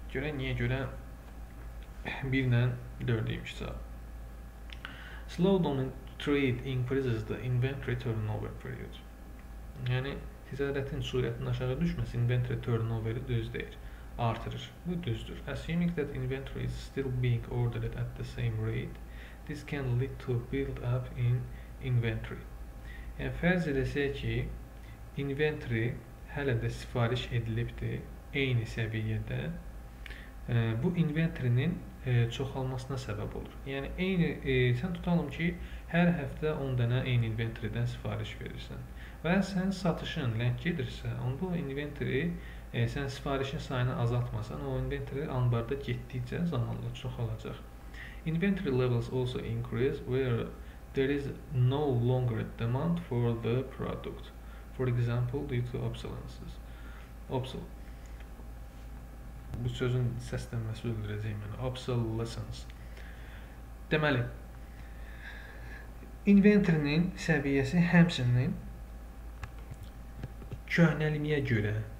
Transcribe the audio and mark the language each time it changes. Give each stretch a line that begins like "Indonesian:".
Azerbaijani: Görək niyə görə 1 ilə 4 imiş cavab.
English: Slowdown in trade increases the inventory turnover period.
Azerbaijani: Yəni, ticarətin sürətinin aşağı düşməsi inventory turnoveri düz deyir, artırır. Bu düzdür.
English: Assuming that inventory is still being ordered at the same rate, this can lead to build up in inventory.
Azerbaijani: Yəni, fərz edəsək ki, inventory hələ də sifariş edilibdir eyni səviyyədə. Bu inventorinin çoxalmasına səbəb olur. Yəni, sən tutalım ki, hər həftə 10 dənə eyni inventorydən sifariş verirsən. Və sən satışın ləng gedirsə, onda o inventory, sən sifarişin sayını azaltmasan, o inventory anbarda getdikcə zamanla çoxalacaq.
English: Inventory levels also increase where there is no longer demand for the product. For example, due to obsolescence.
Azerbaijani: Bu sözün səslənməsi öldürəcəyim mənə. Obsolescence. Deməli, inventorinin səviyyəsi həmçinin köhnəliyə görə